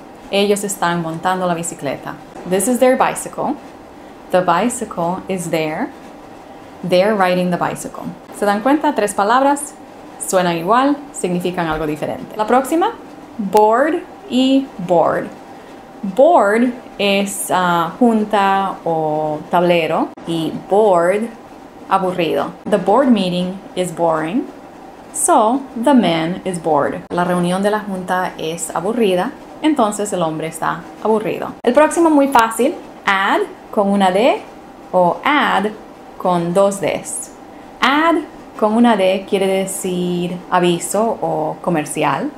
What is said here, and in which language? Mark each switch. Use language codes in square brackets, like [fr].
[es] Ellos están montando la bicicleta. [en] This is their bicycle. The bicycle is there. They're riding the bicycle. [es] ¿Se dan cuenta? Tres palabras, suenan igual, significan algo diferente. La próxima, board y board. Board es junta o tablero y board, aburrido. [en] The board meeting is boring, so the man is bored. [es] La reunión de la junta es aburrida, entonces el hombre está aburrido. El próximo muy fácil, add con una D o add con dos Ds. Add con una D quiere decir aviso o comercial.